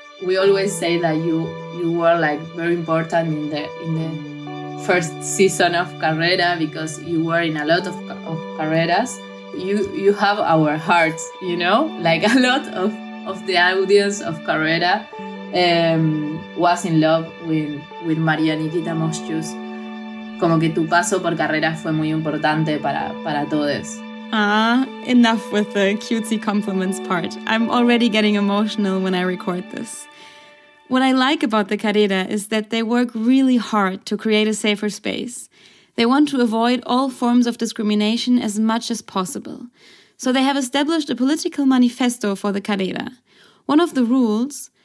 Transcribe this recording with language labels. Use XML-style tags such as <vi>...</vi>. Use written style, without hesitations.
<en>We always say that you were like very important in the first season of Carrera because you were in a lot of Carreras. You have our hearts, you know? Like a lot of the audience of Carrera was in love with María Nikita Moschus.</en> <es>Como que tu paso por Carrera fue muy importante para todos.</es> <en>Ah, enough with the cutesy compliments part. I'm already getting emotional when I record this. What I like about the Carrera is that they work really hard to create a safer space. They want to avoid all forms of discrimination as much as possible. So they have established a political manifesto for the Carrera. One of the rules,</en>